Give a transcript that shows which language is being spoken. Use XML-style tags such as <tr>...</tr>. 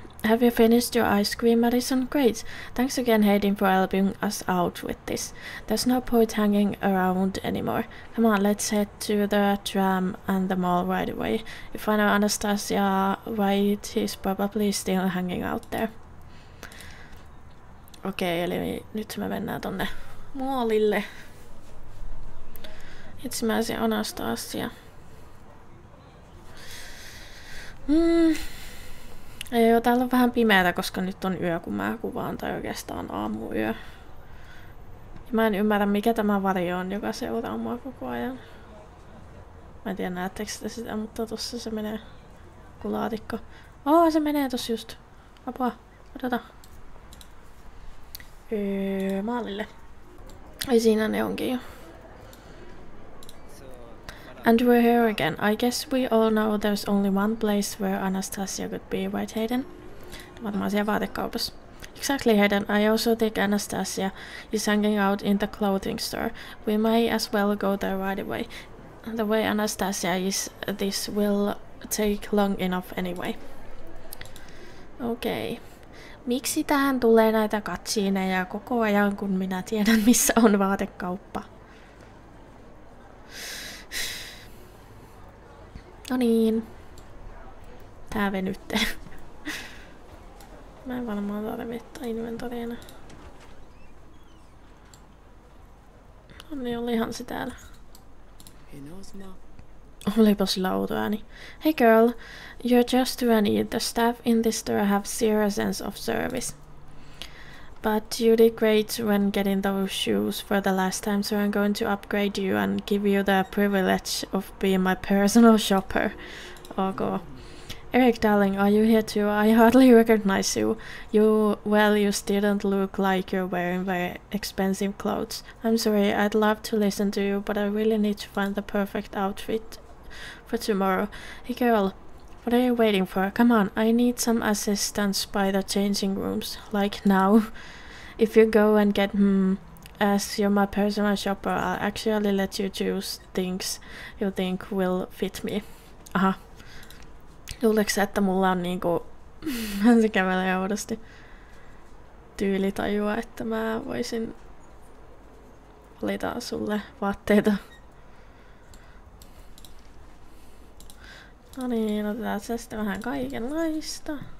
<en>Have you finished your ice cream, Madison? Great. Thanks again, Hayden, for helping us out with this. There's no point hanging around anymore. Come on, let's head to the tram and the mall right away. If I know Anastasia right, he's probably still hanging out there.</en> <fi>Okay, eli nyt me mennään tonne mallille. Itsemäisiä Anastasia. Joo, täällä on vähän pimeätä, koska nyt on yö, kun mä kuvaan, tai oikeastaan aamuyö. Ja mä en ymmärrä, mikä tämä varjo on, joka seuraa mua koko ajan. Mä en tiedä, näettekö te sitä, mutta tossa se menee. Ku laatikko. Oh, se menee tossa just. Apua, odota. Maalille. Ei, siinä ne onkin jo.</fi> <en>And we're here again. I guess we all know there's only one place where Anastasia could be, right, Hayden?</en> <fi>Varmaan siellä vaatekaupassa.</fi> <en>Exactly, Hayden. I also think Anastasia is hanging out in the clothing store. We may as well go there right away. The way Anastasia is, this will take long enough anyway. Okay.</en> <fi>Miksi tähän tulee näitä katsiineja koko ajan, kun minä tiedän, missä on vaatekauppa? No niin. Tää venytte. Mä en varmaan tarvitse inventoriina. No niin, olihan se täällä. Olipa sillä outo ääni.</fi> <en>Hey girl, you're just too any. The staff in this store have zero sense of service. But you did great when getting those shoes for the last time, so I'm going to upgrade you and give you the privilege of being my personal shopper. Okay. Eric, darling, are you here too? I hardly recognize you. You didn't look like you're wearing very expensive clothes. I'm sorry, I'd love to listen to you, but I really need to find the perfect outfit for tomorrow. Hey girl. What are you waiting for? Come on, I need some assistance by the changing rooms, like now. If you go and get as you're my personal shopper, I'll actually let you choose things you think will fit me. Aha.</en> <fi>Luuleeko sä, että mulla on niinku... se kävelee oudosti. Tyylitajua, että mä voisin valita sulle vaatteita. No niin, otetaan se sitten vähän kaikenlaista.</fi>